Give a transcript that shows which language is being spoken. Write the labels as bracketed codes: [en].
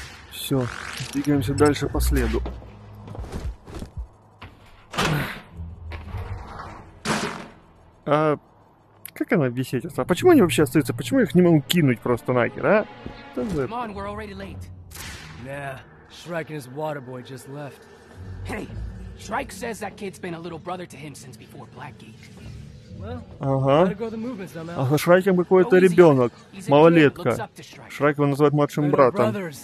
[ru] Все, двигаемся дальше по следу. А как она беседится? А почему они вообще остаются? Почему я их не могу кинуть просто нахер, а? [en] Come on, we're already late. Nah, Shrike and his water boy just left. Hey, Shrike says that kid's been a little brother to him since before Blackgate. [ru] Ага. А Шрайк какой-то ребенок, малолетка. Шрайк его называют младшим братом.